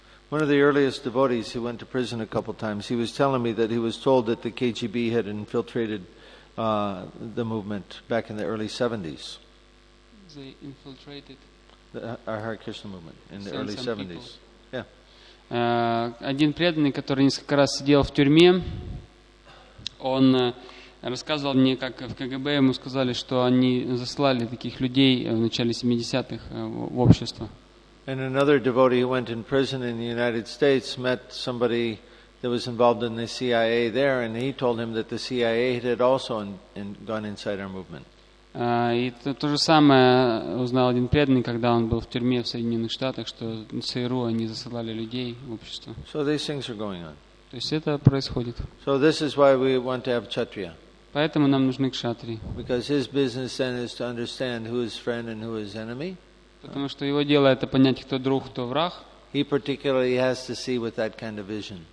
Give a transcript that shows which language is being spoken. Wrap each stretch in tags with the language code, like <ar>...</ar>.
<en>One of the earliest devotees who went to prison a couple times, he was telling me that he was told that the KGB had infiltrated the movement back in the early 70s. They infiltrated? The Hare Krishna movement in the early 70s. People. Yeah.</en> <ru>Один преданный, который несколько раз сидел в тюрьме, он рассказывал мне, как в КГБ ему сказали, что они заслали таких людей в начале 70-х в общество.</ru> <en>And another devotee who went in prison in the United States met somebody that was involved in the CIA there, and he told him that the CIA had also gone inside our movement.</en> <ru>И то же самое узнал один преданный, когда он был в тюрьме в Соединенных Штатах, что ЦРУ они засылали людей в общество.</ru> <en>So these things are going on.</en> <ru>То есть это происходит.</ru> <en>So this is why we want to have Kshatriya.</en> <ru>Поэтому нам нужны кшатрии.</ru> <en>Because his business then is to understand who is friend and who is enemy.</en> <ru>Потому что его дело это понять, кто друг, кто враг.</ru> <en>He particularly has to see with that kind of vision.</en>